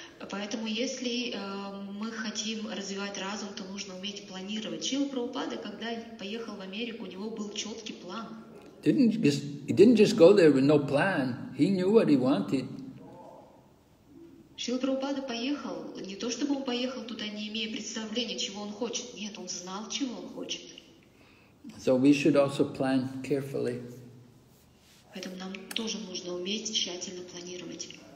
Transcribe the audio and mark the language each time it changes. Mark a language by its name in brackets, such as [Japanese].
[Russian] Поэтому если мы хотим развивать разум, то нужно уметь планировать. Шрила Прабхупада, когда поехал в Америку, у него был четкий план. [English] He didn't just go there with no plan. He knew what he wanted. [Russian] Шрила Прабхупада поехал, не то чтобы он поехал туда, не имея представления, чего он хочет. Нет, он знал, чего он хочет. [English] So we should also plan carefully. [Russian] Поэтому нам тоже нужно уметь тщательно планировать.